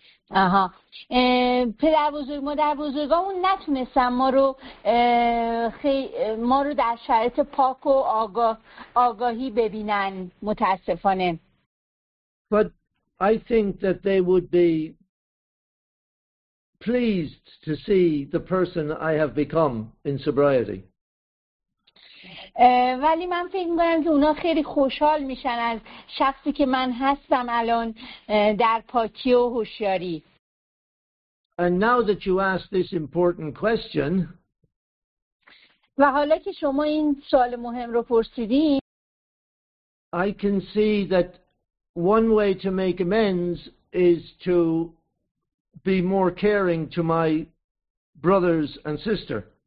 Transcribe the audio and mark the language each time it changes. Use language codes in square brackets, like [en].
[fa] آها پدر بزرگ مادر بزرگامون نتونستن ما رو در شرایط پاک و آگاهی ببینن متاسفانه. [en] But I think that they would be pleased to see the person I have become in sobriety. [fa] ولی من فکر می‌کنم که اونا خیلی خوشحال میشن از شخصی که من هستم الان در پاکی و هوشیاری. [en] And now that you ask this important question. [fa] و حالا که شما این سوال مهم رو پرسیدین. [en] I can see that one way to make amends is to be more caring to my brothers and sister.